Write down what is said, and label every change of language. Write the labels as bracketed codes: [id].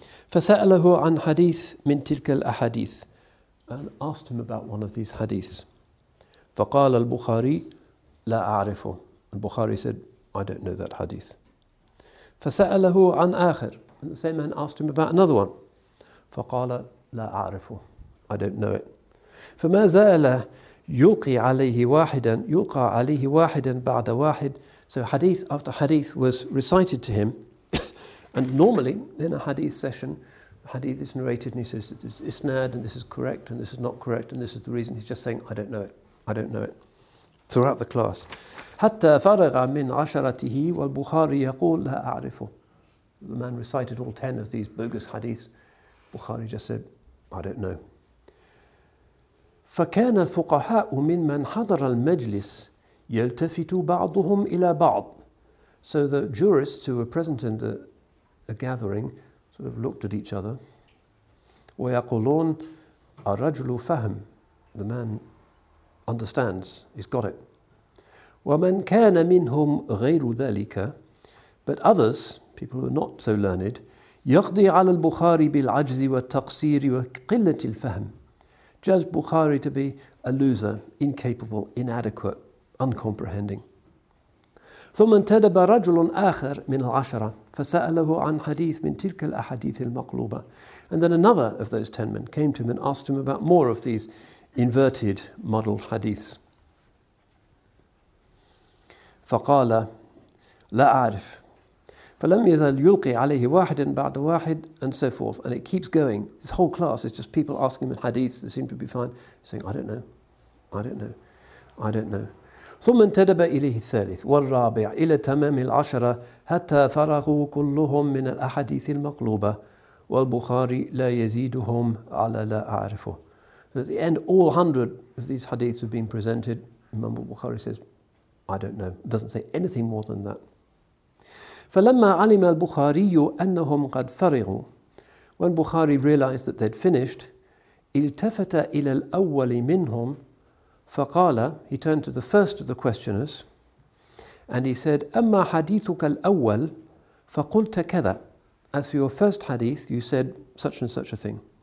[ar] فسأله عن حديث من تلك الأحاديث, [en] and asked him about one of these hadiths. [ar] فقال البخاري لا أعرفه, [en] البخاري said, I don't know that hadith. [ar] فسأله عن آخر, [en] and the same man asked him about another one. [ar] فقال لا أعرفه, [en] I don't know it. [ar] فما زال يلقي عليه واحدا, يلقى عليه واحدا بعد واحد. [en] So hadith after hadith was recited to him. And normally, in a hadith session, hadith is narrated and he says, it's isnad and this is correct and this is not correct and this is the reason. He's just saying, I don't know it. I don't know it. Throughout the class. [ar] حتى فرغ من عشرته والبخاري يقول لا أعرفه. [en] The man recited all 10 of these bogus hadiths. Bukhari just said, I don't know. [ar] فكان الفقهاء من من حضر المجلس يَلْتَفِتُ بَعْضُهُمْ إِلَى بَعْضٍ. [en] So the jurists who were present in the gathering sort of looked at each other. [ar] وَيَقُولُونَ الرَّجُلُ فَهَمْ, [en] the man understands, he's got it. [ar] وَمَنْ كَانَ مِنْهُمْ غَيْرُ ذَلِكَ, [en] but others, people who are not so learned, [ar] يَقْضِي عَلَى الْبُخَارِ بِالْعَجْزِ وَالتَّقْصِيرِ وَقِلَّةِ الْفَهْمِ, [en] judge Bukhari to be a loser, incapable, inadequate, uncomprehending. [ar] ثم انتدب رجل آخر من العشرة فسأله عن حديث من تلك الأحاديث المقلوبة. [en] And then another of those 10 men came to him and asked him about more of these inverted, muddled hadiths. [ar] فقال لا أعرف. فلم يزل يلقي عليه واحد بعد واحد, [en] and so forth. And it keeps going. This whole class is just people asking him in hadiths that seem to be fine, saying, I don't know, I don't know, I don't know. [ar] ثم انتدب إليه الثالث والرابع إلى تمام العشرة حتى فرغوا كلهم من الأحاديث المقلوبة والبخاري لا يزيدهم على لا أعرفه. [en] And at the end, all 100 of these hadiths have been presented. Imam al-Bukhari says, I don't know. It doesn't say anything more than that. [ar] فلما علم البخاري أنهم قد فرغوا, [en] when Bukhari realized that they'd finished, [ar] التفت إلى الأول منهم فقال, [en] he turned to the first of the questioners and he said, [ar] أما حديثك الأول فقلت كذا, [en] as for your first hadith you said such and such a thing.